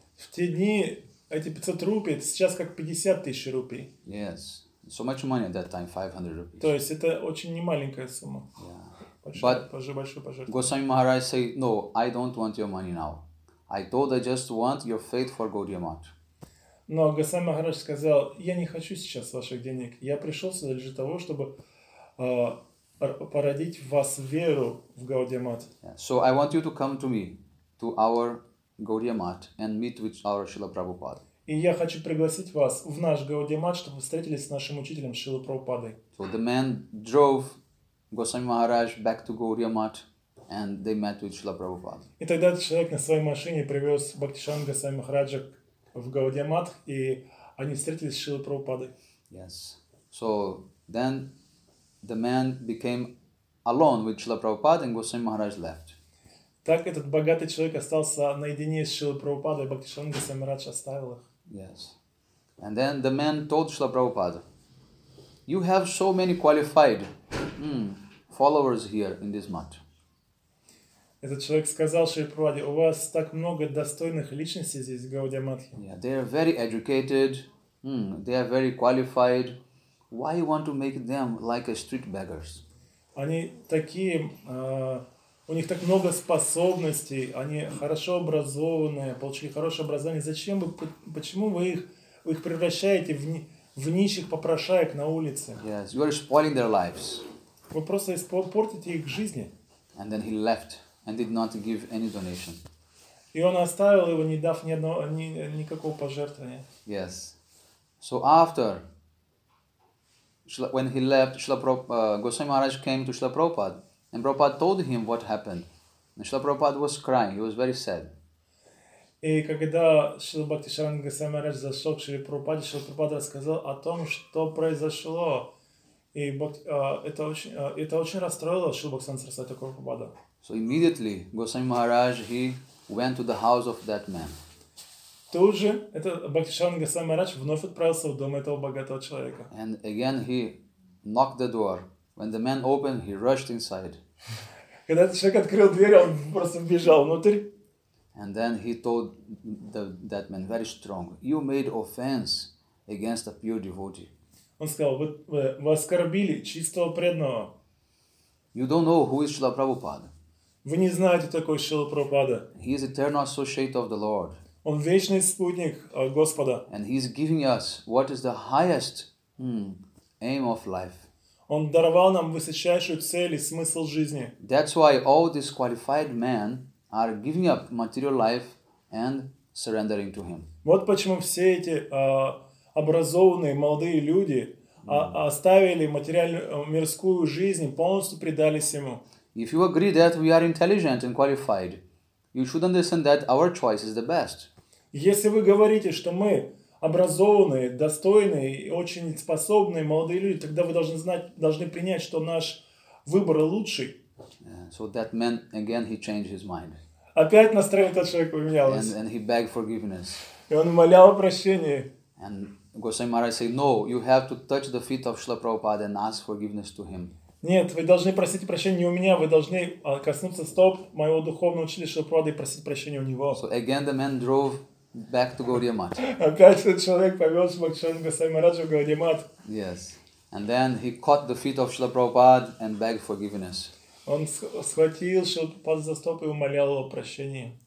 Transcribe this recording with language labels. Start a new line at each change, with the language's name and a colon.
Russian: В те дни эти 500 рупий, сейчас как 50 тысяч рупий.
English: Yes, so much money at that time, 500 rupees.
Russian: То есть это очень немаленькая сумма.
English: But Goswami Maharaj say, no, I don't want your money now. I told I just want your faith for Gaudiya Math.
Russian: Но Goswami Maharaj сказал, я не хочу сейчас ваших денег. Я пришел сюда для того, чтобы породить в вас веру в Gaudiya Math.
English: Yeah. So I want you to come to me, to our Gaudiya Math, and meet with our Srila Prabhupada.
Russian: И я хочу пригласить вас в наш Gaudiya Math, чтобы вы встретились с нашим учителем Шрилой Прабхупадой.
English: So the man drove Goswami Maharaj back to Gaudiya Math, and they met with Srila Prabhupada.
Russian: И тогда человек на своей машине привез Бхактишан Goswami Maharaj в Gaudiya Math, и они встретились с Шрилой Прабхупадой.
English: Yes. So then the man became alone with Srila Prabhupada, and Goswami Maharaj left.
Russian: Так этот богатый человек остался наедине с Шрилой Прабхупадой, и Бхактишан Goswami Maharaj оставил их.
English: Yes. And then the man told Srila Prabhupada, you have so many qualified followers here in this mat.
Russian: Этот человек сказал Шри Прабхупаде, у вас так много достойных личностей здесь в Gaudiya Math.
English: Yeah, they are very educated, they are very qualified. Why you want to make them like a street beggars?
Russian: Они такие, у них так много способностей, они хорошо образованные, получили хорошее образование. Зачем вы, почему вы их превращаете в нищих попрошаек на улице?
English: Yes, you are spoiling their lives.
Russian: Вы просто испортите их жизни.
English: And then he left and did not give any donation.
Russian: И он оставил его, не дав ни одного, никакого пожертвования.
English: Yes. So after, when he left, Goswami Maharaj came to Srila Prabhupada, and Prabhupada told him what happened. And Srila Prabhupada was crying, he was very sad.
Russian: И когда Шрила Бхактисиддханта Госвами Махарадж зашел к Шриле Прабхупаде, Шрила Прабхупада рассказал о том, что произошло. И это очень расстроило Шрилу Бхактисиддханта Сарасвати Прабхупаду.
English: So immediately Goswami Maharaj he went to the house of that man.
Russian: Тут же это Бхактисиддханта Госвами Махарадж вновь отправился в дом этого богатого человека.
English: And again he knocked the door. When the man opened, he rushed inside.
Russian: Когда этот человек открыл дверь, он просто бежал внутрь.
English: And then he told that man very strong, "You made offense against a pure devotee."
Russian: Он сказал, вы оскорбили чистого преданного.
English: You don't know who is Srila Prabhupada.
Russian: Вы не знаете, кто такой Шрила Прабхупада.
English: He is eternal associate of the Lord.
Russian: Он вечный спутник Господа.
English: And he is giving us what is the highest aim of life.
Russian: Он даровал нам высочайшую цель и смысл жизни.
English: That's why all these qualified men are giving up material life and surrendering to him.
Russian: Вот почему все эти образованные молодые люди оставили материальную мирскую жизнь, полностью предались ему.
English: If you agree that we are intelligent and qualified, you should understand that our choice is the best.
Russian: Если вы говорите, что мы образованные, достойные и очень способные молодые люди, тогда вы должны знать, должны принять, что наш выбор лучший.
English: So that man again he changed his mind.
Russian: Опять настроение этого человека поменялось.
English: And he begged forgiveness.
Russian: И он умолял прощения.
English: And Goswami Maharaj said, "No, you have to touch the feet of Srila Prabhupada and ask forgiveness to him."
Russian: Нет, вы должны просить прощения не у меня, вы должны коснуться стоп моего духовного учителя Шрила Прабхупады и просить прощения у него.
English: So again the man drove back to Gaudiya Math.
Russian: Опять этот человек повез Бхактишанта Goswami Maharaja в Gaudiya Math.
English: Yes. And then he caught the feet of Srila Prabhupada and begged forgiveness.
Russian: Он схватил Шрилу Прабхупаду за стоп и умолял его о прощении.